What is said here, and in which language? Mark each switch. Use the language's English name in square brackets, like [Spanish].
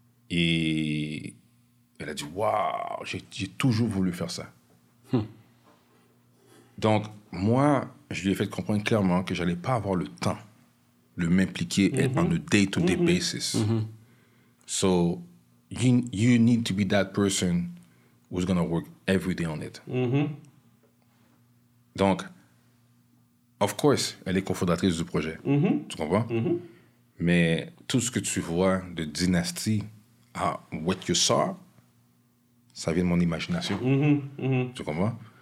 [French] Et elle a dit, waouh, j'ai toujours voulu faire ça. Donc, moi, je lui ai fait comprendre clairement que je n'allais pas avoir le temps de m'impliquer en un [English] day-to-day basis. So, you need to be that person who's going to work every day on it. [French] Donc, [English] of course, [French] elle est cofondatrice du projet. Tu comprends? Mais tout ce que tu vois de dynastie à [English] what you saw, [French] ça vient de mon imagination. Tu comprends?